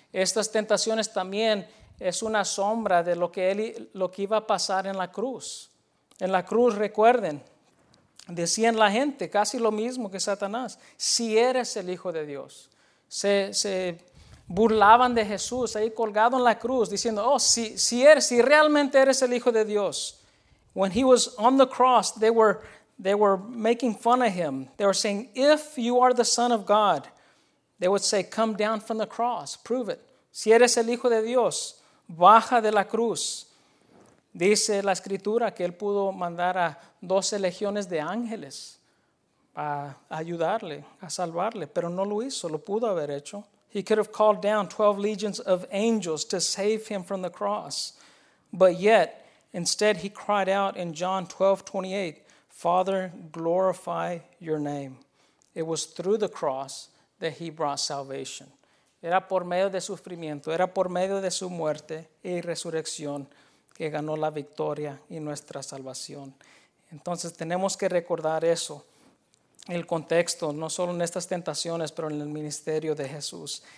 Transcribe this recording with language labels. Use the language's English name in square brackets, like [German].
[Spanish] Estas tentaciones también es una sombra de lo que iba a pasar en la cruz. En la cruz, recuerden, Decían la gente casi lo mismo que Satanás: si eres el Hijo de Dios. Se burlaban de Jesús ahí colgado en la cruz, diciendo: oh, si realmente eres el Hijo de Dios. [English] When he was on the cross, they were making fun of him. They were saying, if you are the Son of God, they would say, come down from the cross, prove it. [Spanish] Si eres el Hijo de Dios, baja de la cruz. Dice la Escritura que él pudo mandar a 12 legiones de ángeles a ayudarle, a salvarle, pero no lo hizo, lo pudo haber hecho. [English] He could have called down 12 legions of angels to save him from the cross. But yet, instead he cried out in John 12:28, Father, glorify your name. It was through the cross that he brought salvation. [Spanish] Era por medio de sufrimiento, era por medio de su muerte y resurrección que ganó la victoria y nuestra salvación. Entonces tenemos que recordar eso, el contexto, no solo en estas tentaciones, pero en el ministerio de Jesús.